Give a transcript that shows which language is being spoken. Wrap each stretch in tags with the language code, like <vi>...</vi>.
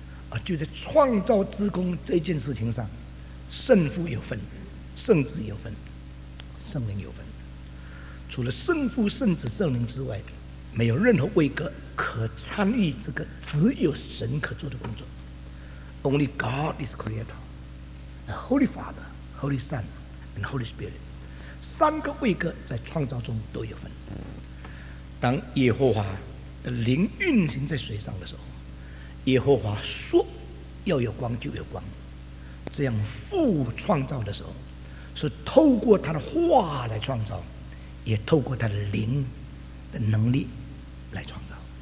<zh>而就在创造之功这件事情上，圣父有份，圣子有份，圣灵有份。除了圣父、圣子、圣灵之外，没有任何位格可参与这个只有神可做的工作。</zh> <en>Only God is creator, the Holy Father, Holy Son and Holy Spirit,</en> <zh>三个位格在创造中都有份。当耶和华的灵运行在水上的时候，耶和华说要有光就有光，这样父创造的时候是透过他的话来创造，也透过他的灵的能力来创造。</zh>